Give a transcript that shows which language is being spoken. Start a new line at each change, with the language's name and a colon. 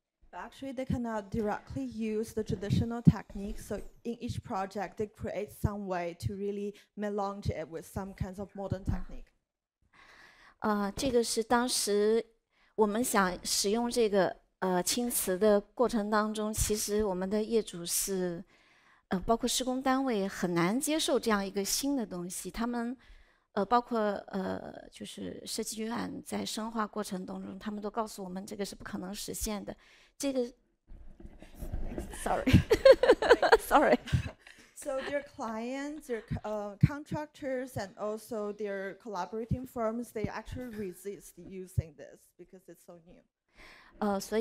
English: But actually, they cannot directly use the traditional technique. So in each project, they create some way to really melange it with some kinds of modern technique.
Chinese: 这个是当时我们想使用这个青瓷的过程当中，其实我们的业主是，包括施工单位很难接受这样一个新的东西。他们，包括就是设计院在深化过程当中，他们都告诉我们这个是不可能实现的。
English: So their clients, their contractors, and also their collaborating firms, they actually resist using this because it's so new.